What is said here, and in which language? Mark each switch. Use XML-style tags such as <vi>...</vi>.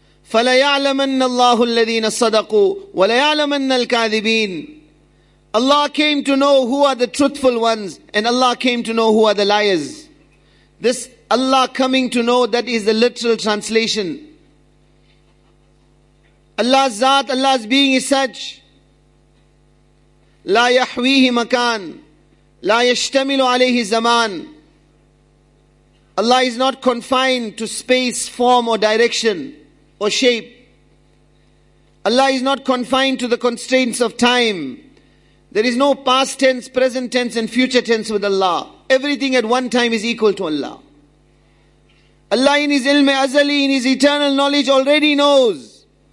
<ar>فَلَيَعْلَمَنَّ اللَّهُ الَّذِينَ صَدَقُوا وَلَيَعْلَمَنَّ الْكَاذِبِينَ.</ar> <en>Allah came to know who are the truthful ones, and Allah came to know who are the liars. This Allah coming to know, that is the literal translation. Allah's Zat, Allah's being is such,</en> <ar>لا يَحْوِيهِ مَكَان لا يَشْتَمِلُ عَلَيْهِ زَمَان.</ar> <en>Allah is not confined to space, form or direction or shape. Allah is not confined to the constraints of time, There is no past tense, present tense, and future tense with Allah. Everything at one time is equal to Allah. Allah in His ilm-e azali, in His eternal knowledge, already knows.</en>